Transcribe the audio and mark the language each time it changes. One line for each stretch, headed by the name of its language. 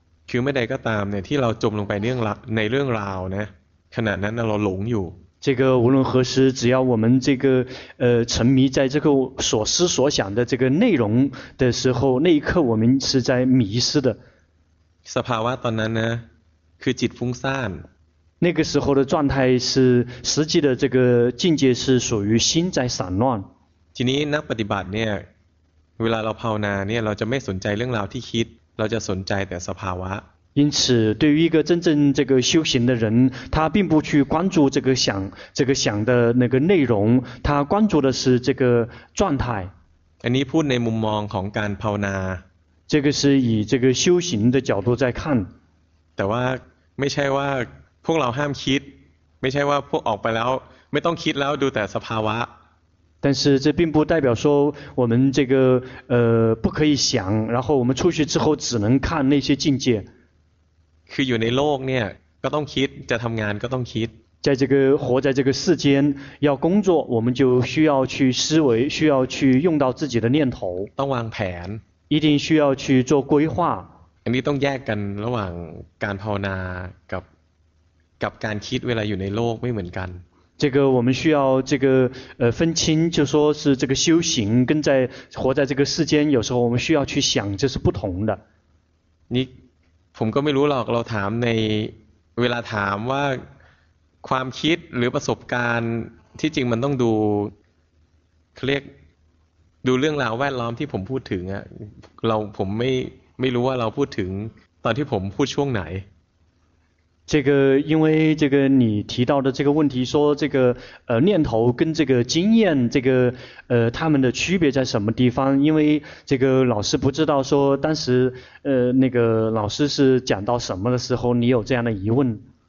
Thai: คือไม่ได้ก็ตามเนี่ยที่เราจมลงไปในเรื่องราวนะขณะนั้นเราหลงอยู่
Chinese: 这个无论何时只要我们这个沉迷在这个所思所想的这个内容的时候那一刻我们是在迷失的
Thai: สภาวะตอนนั้นนะคือจิตฟุ้งซ่าน นั่นก็คือ
Chinese: 候的状态是实际的这个境界是属于心在散乱
Thai: ทีนี้นักปฏิบัติเนี่ยเวลาเราภาวนาเนี่ยเราจะไม่สนใจเรื่องราวที่คิดเราจะสนใจแต่สภาวะ
Chinese: 因此对于一个真正这个修行的人他并不去关注这个想这个想的那个内容他关注的是这个状态
Thai: อันนี้พูดในมุมมองของการภาวนา
Chinese: 这个是以这个修行的角度在看
Thai: แต่ว่าไม่ใช่ว่าพวกเราห้ามคิดไม่ใช่ว่าพวกออกไปแล้วไม่ต้องคิดแล้วดูแต่สภาวะ
Chinese: 但是这并不代表说我们这个不可以想然后我们出去之后只能看那些境界
Thai: คืออยู่ในโลกเนี่ยก็ต้องคิดจะทำงานก็ต้องคิด
Chinese: 在这个活在这个世间要工作我们就需要去思维需要去用到自己的念头
Thai: ต้องวางแผน
Chinese: 一定需要去做规划
Thai: อันนี้ต้องแยกกันระหว่างการภาวนากับการคิดเวลาอยู่ในโลกไม่เหมือนกัน
Chinese: 这个我们需要这个分清就说是这个修行跟在活在这个世间有时候我们需要去想这是不同的
Thai: นี่ผมก็ไม่รู้หรอกเราถามในเวลาถามว่าความคิดหรือประสบการณ์ที่จริงมันต้องดูเรียกดูเรื่องราวแวดล้อมที่ผมพูดถึงอะเราผมไม่รู้ว่าเราพูดถึงตอนที่ผมพูดช่วงไหน
Chinese: 这个因为这个你提到的这个问题说这个念头跟这个经验这个他们的区别在什么地方因为这个老师不知道说当时那个老师是讲到什么的时候你有这样的疑问